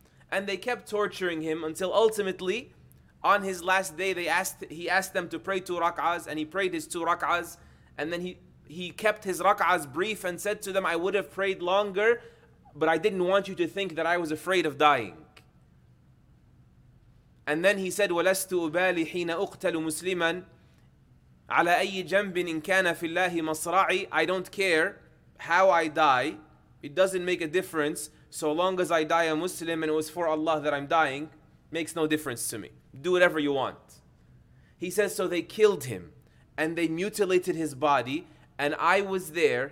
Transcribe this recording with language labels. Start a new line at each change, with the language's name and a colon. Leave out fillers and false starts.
English: And they kept torturing him until ultimately, on his last day, he asked them to pray 2 rak'ahs, and he prayed his 2 rak'ahs, and then he kept his rak'ahs brief and said to them, "I would have prayed longer, but I didn't want you to think that I was afraid of dying." And then he said,
Arabic: "وَلَسْتُ أُبَالِي حِينَ أُقْتَلُ مُسْلِمًا عَلَى أَيِّ جَنْبٍ إِنْ كَانَ فِي اللَّهِ مَصْرَعِي."
English: I don't care how I die, it doesn't make a difference, so long as I die a Muslim and it was for Allah that I'm dying, makes no difference to me. Do whatever you want. He says, so they killed him and they mutilated his body, and I was there.